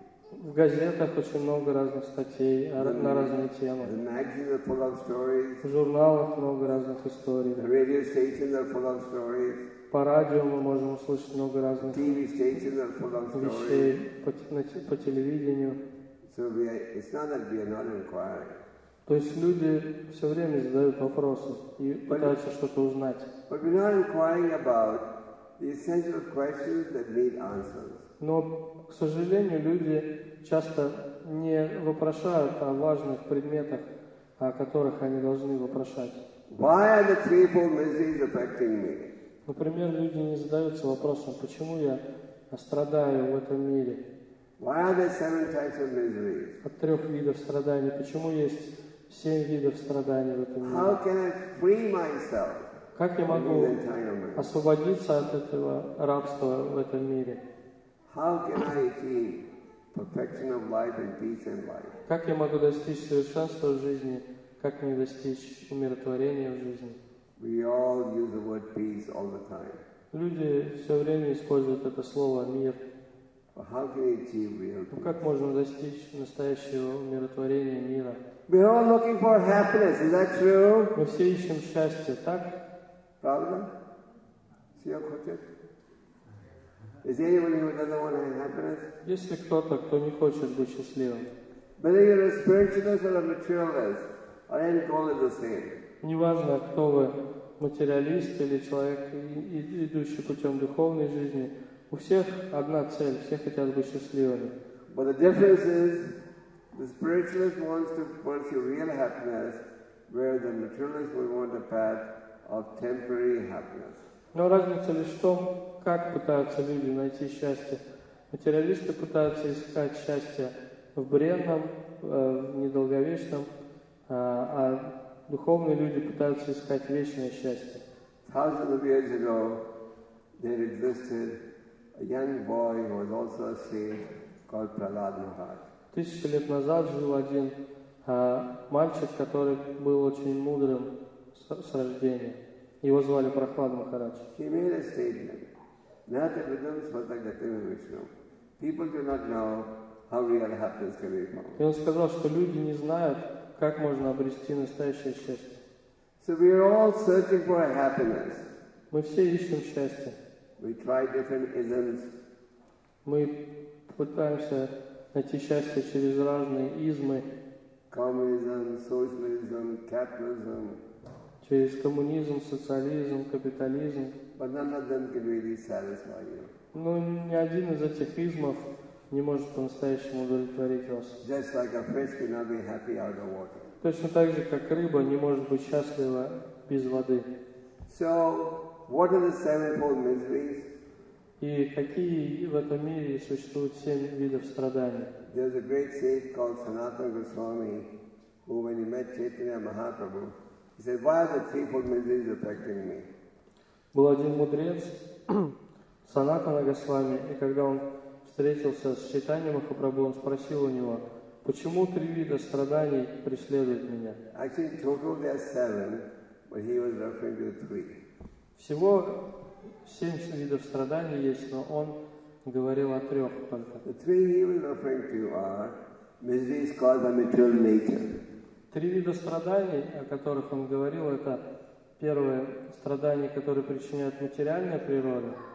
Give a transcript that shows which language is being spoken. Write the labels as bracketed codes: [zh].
[ru] В газетах очень много разных статей на разные темы. [en] The magazines are full of stories. [ru] В журналах много разных историй. [en] The radio stations are full of stories. [ru] По радио мы можем услышать много разных [en] TV stations are full of stories. [ru] Вещей по телевидению. [en] So it's not that we are not inquiring. [ru] То есть люди все время задают вопросы и пытаются что-то узнать. [en] But we're not inquiring about the essential questions that need answers. [ru] Но, к сожалению, люди часто не вопрошают о важных предметах, о которых они должны вопрошать. [en] Why are the threefold miseries affecting me? [ru] Например, люди не задаются вопросом, почему я страдаю в этом мире. [en] Why are there seven types of miseries? [ru] От трех видов страданий. Почему есть семь видов страданий в этом мире? [en] How can I free myself? [ru] Как я могу освободиться от этого рабства в этом мире? [en] How can I achieve perfection of life and peace in life? [ru] Как я могу достичь совершенства в жизни? Как мне достичь умиротворения в жизни? [en] We all use the word peace all the time. [ru] Люди все время используют это слово мир. [en] But how can you achieve real peace? [ru] Как можно достичь настоящего умиротворения мира? [en] We are all looking for happiness. Is that true? [ru] Мы все ищем счастье, так? Правда? Все хотят. [en] Is there anyone who doesn't want to have happiness? [ru] Если кто-то, кто не хочет быть счастливым. [en] Whether you're a spiritualist or a materialist, our end goal is the same. [ru] Неважно, кто вы, материалист или человек, идущий путем духовной жизни, у всех одна цель, все хотят быть счастливыми. [en] But the difference is, the spiritualist wants to pursue real happiness, where the materialist would want a path of temporary happiness. [ru] Но разница лишь в том, как пытаются люди найти счастье. Материалисты пытаются искать счастье в бренном, в недолговечном, а духовные люди пытаются искать вечное счастье. [en] Thousands of years ago, there existed a young boy who was also a saint called Prahlad Maharaj. [ru] Тысячи лет назад жил один мальчик, который был очень мудрым с рождения. Его звали Прохлад Махарадж. [en] He made a statement. [sa] Natavidam Svatagatim Vishnu. [en] People do not know how real happiness can be found. [ru] И он сказал, что люди не знают, как можно обрести настоящее счастье. [en] So we are all searching for happiness. [ru] Мы все ищем счастье. [en] We try different isms. [ru] Мы пытаемся найти счастье через разные измы. [en] Communism, socialism, capitalism. [ru] Через коммунизм, социализм, капитализм. [en] But none of them can really satisfy you. [ru] Но ни один из этих измов не может по-настоящему удовлетворить вас. [en] Just like a fish cannot be happy out of water. [ru] Точно так же, как рыба не может быть счастлива без воды. [en] So, what are the sevenfold miseries? [ru] И какие в этом мире существуют семь видов страданий? [en] There's a great saint called Sanatana Goswami, who when he met Chaitanya Mahaprabhu, he said, why are the threefold miseries affecting me? [ru] Был один мудрец, Санатана Госвами, и когда он встретился с Чайтаньей Махапрабху, он спросил у него, почему три вида страданий преследуют меня? [en] Actually, total there are seven, but he was referring to three. [ru] Всего семь видов страданий есть, но он говорил о трех только. [en] The three he was referring to are miseries caused by material nature. [ru] Три вида страданий, о которых он говорил, это первое, страдания, которые причиняют материальная природа.